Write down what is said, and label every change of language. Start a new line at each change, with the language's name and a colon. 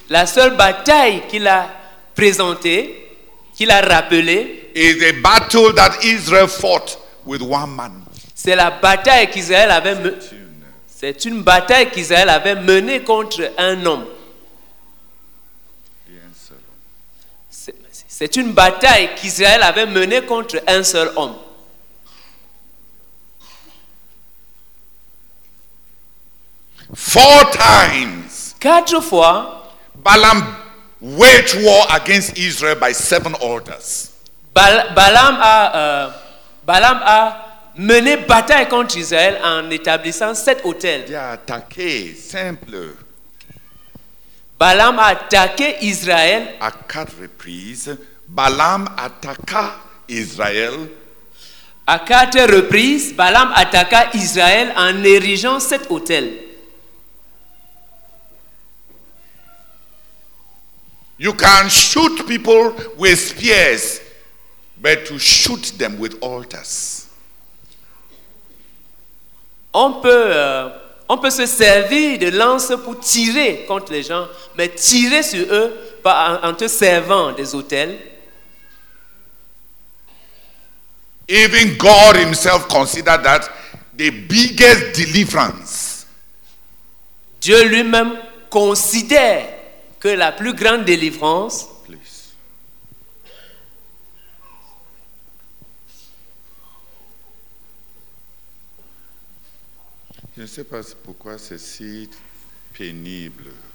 French: la seule bataille qu'il a présentée, qu'il a rappelée,
English: is a battle that Israel fought with one man.
French: C'est la bataille qu'Israël avait menée. C'est une bataille qu'Israël avait menée contre un homme. C'est une bataille qu'Israël avait menée contre un seul homme.
English: Four times.
French: Quatre fois.
English: Balaam waged war against Israel by seven orders.
French: Balaam a mener bataille contre Israël en établissant sept autels. Il a attaqué, simple. Balaam a attaqué Israël. À quatre reprises, Balaam attaqua Israël. À quatre reprises, Balaam attaqua Israël en érigeant sept autels.
English: You can shoot people with spears, but to shoot them with altars.
French: On peut se servir de lance pour tirer contre les gens, mais tirer sur eux en te servant des autels,
English: Even God himself considered that the biggest deliverance.
French: Dieu lui-même considère que la plus grande délivrance.
English: Please.
French: Je ne sais pas pourquoi c'est si pénible.